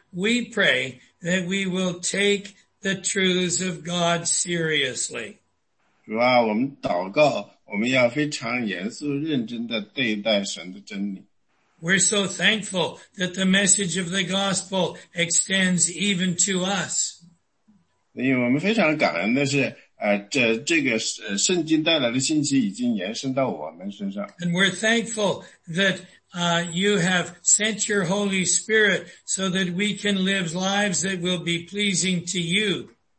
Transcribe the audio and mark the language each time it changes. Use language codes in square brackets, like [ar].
[en] we pray that we will take the truths of God seriously. [zh] 主啊，我们祷告，我们要非常严肃、认真地对待神的真理。 [en] We're so thankful that the message of the gospel extends even to us. [zh] 因为我们非常感恩的是。 [en] And we're thankful that you have sent your Holy Spirit so that we can live lives that will be pleasing to you.